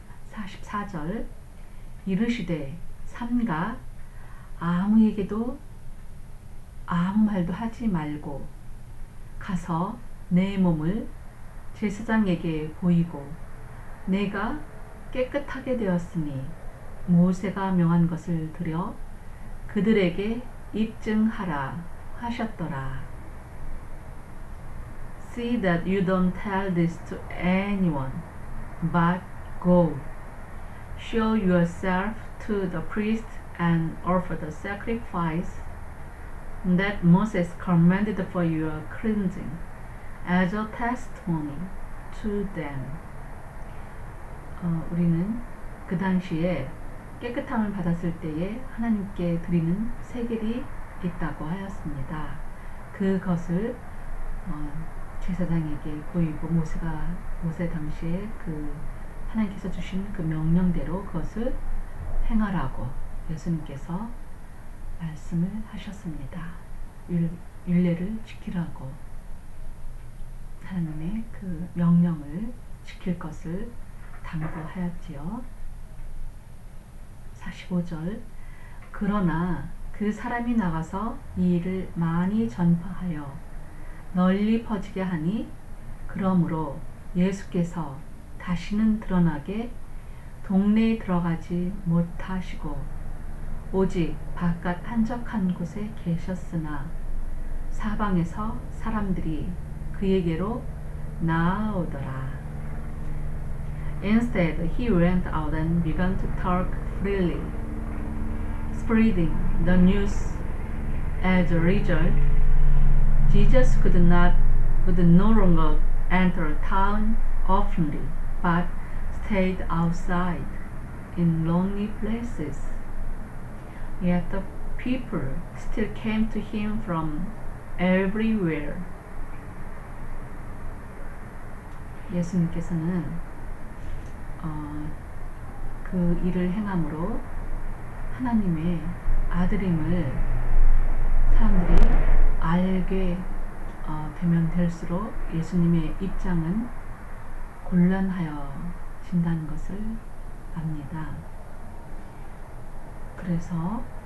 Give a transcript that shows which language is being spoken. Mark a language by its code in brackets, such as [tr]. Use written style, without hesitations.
[ko] 44절 이르시되 삼가 아무에게도 아무 말도 하지 말고 가서 내 몸을 제사장에게 보이고 내가 깨끗하게 되었으니 모세가 명한 것을 들여 그들에게 입증하라 하셨더라. [en] See that you don't tell this to anyone, but go. Show yourself to the priest and offer the sacrifice that Moses commanded for your cleansing as a testimony to them. [ko] 우리는 그 당시에 깨끗함을 받았을 때에 하나님께 드리는 세계들이 있다고 하였습니다. 그것을 제사장에게 보이고 모세 당시에 그 하나님께서 주신 그 명령대로 그것을 행하라고 예수님께서 말씀을 하셨습니다. 율례를 지키라고 하나님의 그 명령을 지킬 것을 당부하였지요. 45절 그러나 그 사람이 나가서 이 일을 많이 전파하여 널리 퍼지게 하니 그러므로 예수께서 다시는 드러나게 동네에 들어가지 못하시고 오직 바깥 한적한 곳에 계셨으나 사방에서 사람들이 그에게로 나아오더라. [en] Instead, he went out and began to talk freely, spreading the news. As a result, Jesus could no longer enter a town openly, but stayed outside in lonely places. Yet the people still came to him from everywhere. [ko] 예수님께서는 그 일을 행함으로 하나님의 아들임을 사람들이 알게 되면 될수록 예수님의 입장은 곤란하여 진다는 것을 압니다. 그래서